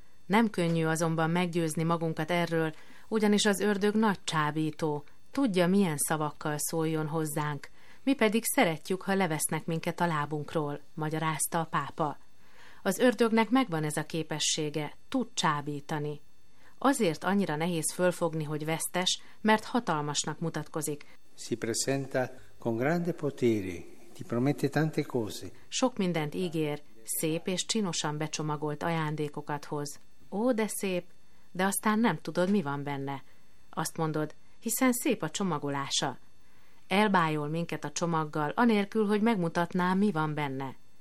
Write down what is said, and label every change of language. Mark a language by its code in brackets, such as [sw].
[hu] Nem könnyű azonban meggyőzni magunkat erről, ugyanis az ördög nagy csábító, tudja, milyen szavakkal szóljon hozzánk. Mi pedig szeretjük, ha levesznek minket a lábunkról, magyarázta a pápa. Az ördögnek megvan ez a képessége, tud csábítani. Azért annyira nehéz fölfogni, hogy vesztes, mert hatalmasnak mutatkozik. [it] Si presenta con grande potere, ti promette tante cose. [hu] Sok mindent ígér, szép és csinosan becsomagolt ajándékokat hoz. Ó, de szép! De aztán nem tudod, mi van benne. Azt mondod, hiszen szép a csomagolása. Elbájol minket a csomaggal, anélkül, hogy megmutatná, mi van benne.